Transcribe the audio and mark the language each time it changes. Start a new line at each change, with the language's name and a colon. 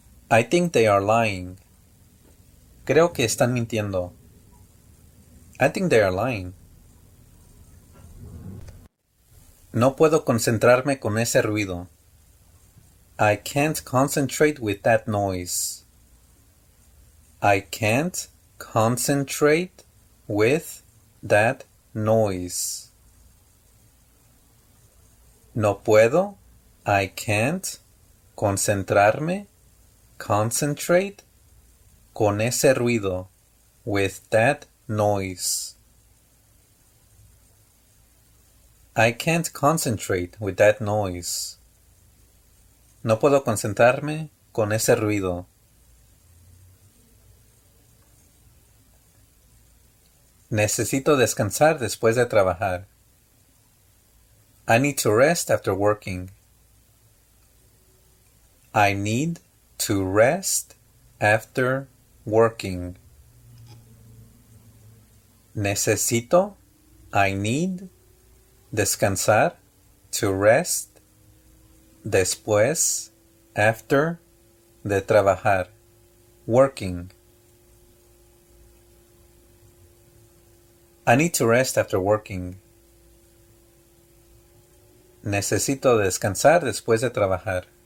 English: I think they are lying.
Spanish: Creo que están mintiendo.
English: I think they are lying.
Spanish: No puedo concentrarme con ese ruido.
English: I can't concentrate with that noise. I can't concentrate with that noise.
Spanish: No puedo,
English: I can't,
Spanish: concentrarme,
English: concentrate,
Spanish: con ese ruido,
English: with that noise. I can't concentrate with that noise.
Spanish: No puedo concentrarme con ese ruido. Necesito descansar después de trabajar.
English: I need to rest after working. I need to rest after working.
Spanish: Necesito,
English: I need,
Spanish: descansar,
English: to rest,
Spanish: después,
English: after,
Spanish: de trabajar,
English: working. I need to rest after working.
Spanish: Necesito descansar después de trabajar.